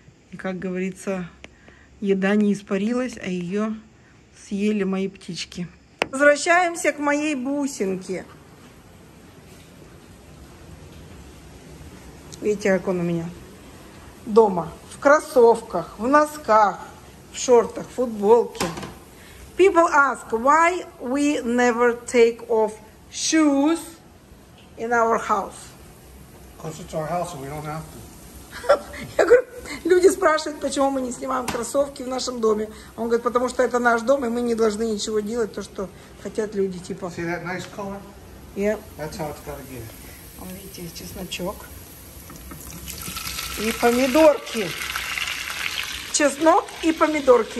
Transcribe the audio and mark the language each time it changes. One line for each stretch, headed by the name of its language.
Russian: И, как говорится, еда не испарилась, а ее съели мои птички. Возвращаемся к моей бусинке. Видите, как он у меня дома. В кроссовках, в носках, в шортах, в футболке.
English: People ask, why we never take off shoes in our house? Because it's our house, so we don't have to.
Russian: Я говорю, люди спрашивают, почему мы не снимаем кроссовки в нашем доме. Он говорит, потому что это наш дом, и мы не должны ничего делать, то, что хотят люди, типа.
English: See that nice color? Yeah. That's how it's got to be.
Russian: Он, видите, чесночок. И помидорки. Чеснок и помидорки.